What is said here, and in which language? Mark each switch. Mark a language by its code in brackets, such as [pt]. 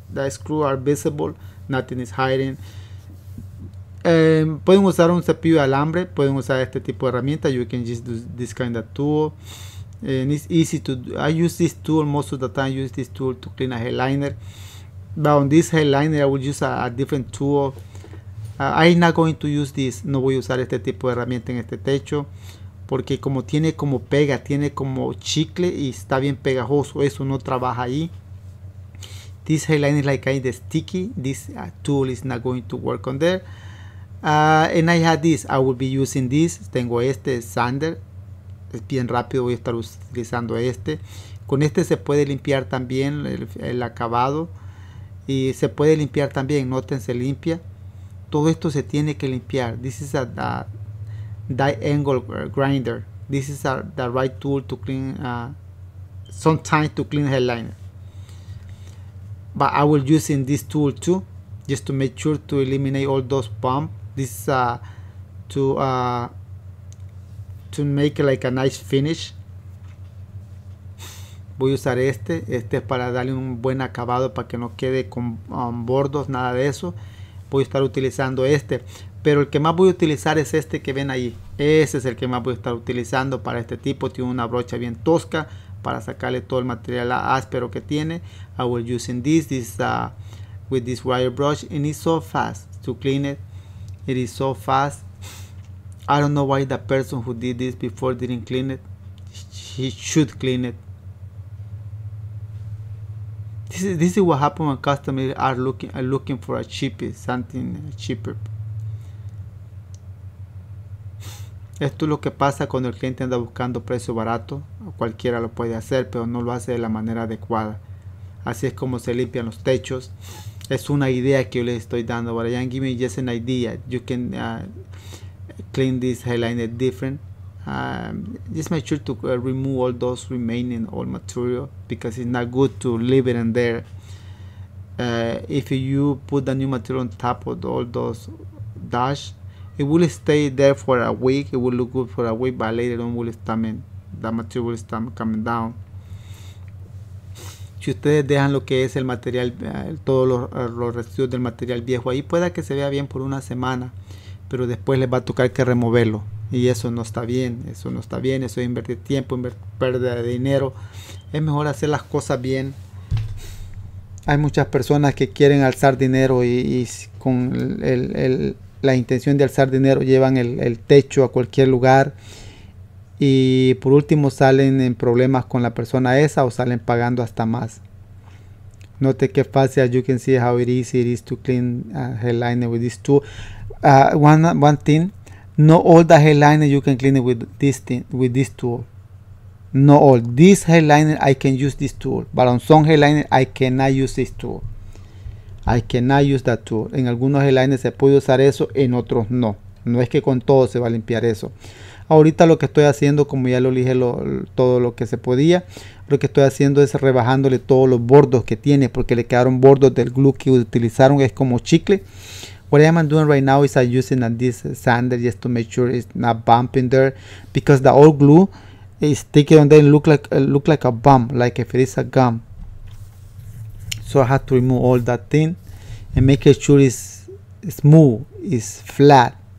[en] The screws are visible. Nothing is hiding. [es] Pueden usar un cepillo de alambre. Pueden usar este tipo de herramienta. [en] You can just do this kind of tool. And it's easy to do. I use this tool most of the time. I use this tool to clean a headliner. But on this headliner, I will use a different tool. I'm not going to use this. [es] No voy a usar este tipo de herramienta en este techo, porque como tiene como pega, tiene como chicle y está bien pegajoso. Eso no trabaja ahí. [en] This headliner is like kind of sticky. This tool is not going to work on there. And I had this. I will be using this. [es] Tengo este sander. Es bien rápido, voy a estar utilizando este. Con este se puede limpiar también el acabado. Y se puede limpiar también, noten, se limpia. Todo esto se tiene que limpiar. [en] This is a die angle grinder. This is the right tool to clean, sometimes to clean headliner. But I will use in this tool too, just to make sure to eliminate all those bumps. This is to make like a nice finish. [es] Voy a usar este. Este es para darle un buen acabado, para que no quede con bordos, nada de eso. voy a estar utilizando este, pero el que más voy a utilizar es este que ven ahí. Ese es el que más voy a estar utilizando para este tipo. Tiene una brocha bien tosca para sacarle todo el material áspero que tiene. [en] I will using this, with this wire brush, and it's so fast to clean it. It is so fast. I don't know why the person who did this before didn't clean it. He should clean it. This is what happens when customers are looking for a cheapest, something cheaper. [es] Esto es lo que pasa cuando el cliente anda buscando precio barato. Cualquiera lo puede hacer, pero no lo hace de la manera adecuada. Así es como se limpian los techos. Es una idea que yo les estoy dando. [en] But I am giving you just an idea. You can clean this headliner different. Just make sure to remove all those remaining old material, because it's not good to leave it in there. If you put the new material on top of all those dash, it will stay there for a week. It will look good for a week, but later on the material will start coming down. [es] Si ustedes dejan lo que es el material, todos los residuos del material viejo ahí, pueda que se vea bien por una semana, pero después les va a tocar que removerlo. Y eso no está bien, eso es invertir tiempo, perder dinero. Es mejor hacer las cosas bien. Hay muchas personas que quieren alzar dinero y con la intención de alzar dinero llevan el techo a cualquier lugar. Y por último salen en problemas con la persona esa o salen pagando hasta más. Note qué fácil, [en] as you can see how easy it is to clean a headliner with this tool. One thing, not all the headliner you can clean it with this tool. Not all. This headliner I can use this tool, but on some headliner I cannot use this tool. I cannot use that tool. [es] En algunos headliners se puede usar eso, en otros no. No es que con todo se va a limpiar eso. Ahorita lo que estoy haciendo, como ya lo dije todo lo que se podía, lo que estoy haciendo es rebajándole todos los bordos que tiene, porque le quedaron bordos del glue que utilizaron, es como chicle. [en] What I am doing right now is I'm using this sander just to make sure it's not bumping there, because the old glue is sticking on there and look like a bump, like if it is a gum. So I have to remove all that thing and make sure it's smooth, it's flat.